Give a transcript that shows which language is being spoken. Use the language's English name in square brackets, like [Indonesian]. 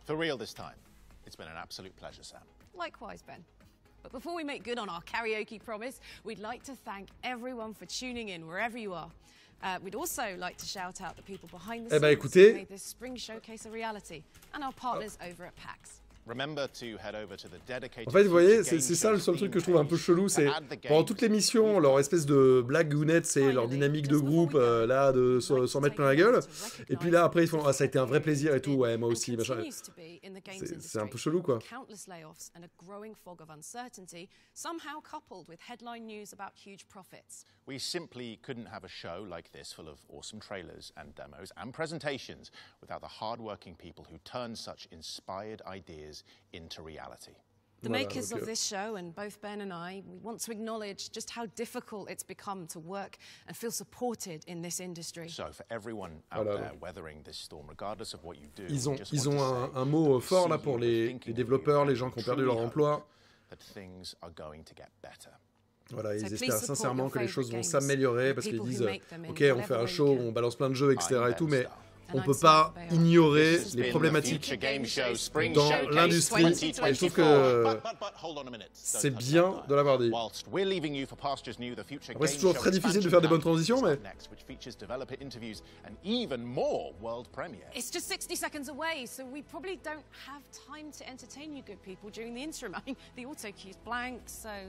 [English] For real this time. It's been an absolute pleasure, Sam. Likewise, Ben. But before we make good on our karaoke promise, we'd like to thank everyone for tuning in wherever you are. We'd also like to shout out the people behind the scenes who made this spring showcase a reality, and our partners over at PAX. Remember to head over to the dedicated. [French] En fait, vous voyez, c'est ça le seul truc que je trouve un peu chelou, c'est pendant toutes les missions, leur espèce de blague gounette, c'est leur dynamique de groupe, là, de s'en mettre plein la gueule. Et puis là, après, ils font, ah, ça a été un vrai plaisir et tout, ouais, moi aussi, machin. C'est un peu chelou, quoi. [English] Countless layoffs and a growing fog of uncertainty, somehow coupled with headline news about huge profits. We simply couldn't have a show like this full of awesome trailers and demos and presentations without the hard-working people who turn such inspired ideas into reality. The makers of this show and both Ben and I, we want to acknowledge just how difficult it's become to work and feel supported in this industry. So for everyone out there weathering this storm, regardless of what you do, [French] ils ont un mot fort là pour les développeurs, les gens qui ont perdu leur emploi. [English] That things are going to get better. [French] Voilà, ils espèrent sincèrement que les choses vont s'améliorer parce qu'ils disent, ok, on fait un show, on balance plein de jeux, etc. et tout, mais on ne peut pas ignorer les problématiques dans l'industrie. Et je trouve que c'est bien de l'avoir dit. Après, c'est toujours très difficile de faire des bonnes transitions, mais... C'est juste 60 secondes [English] away, so we probably don't have time to entertain you good people during the interim. I mean, the auto queue's blank, so...